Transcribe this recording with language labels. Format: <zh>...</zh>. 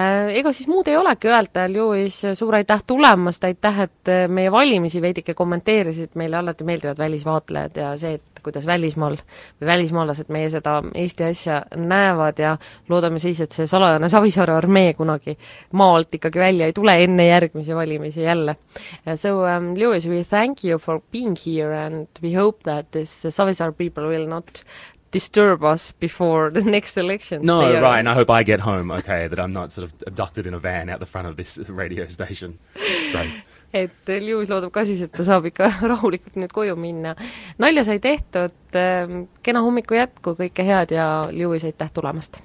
<et>Ega siis muud ei olegi öelda, Lewis, suur aitäh tulemast, aitäh, et meie valimisi veidike kommenteerisid, meile alati meeldivad välisvaatlejad ja see, et kuidas välismaal või välismaalased meie seda Eesti asja näevad ja loodame siis, et see salajane Savisaare armee kunagi maalt ikkagi välja ei tule enne järgmise valimise jälle.</et> <en>So, Lewis, we thank you for being here and we hope that this Savisaar people will not disturb us before the next election. No, right, and I hope I get home, okay, that I'm not sort of abducted in a van out the front of this radio station. Right.</en> <et>Et Lewis loodab ka siis, et ta saab ikka rahulikult nüüd koju minna. Nalja sai tehtud, kena hommiku jätku, kõike head ja Lewis aitäh tulemast.</et>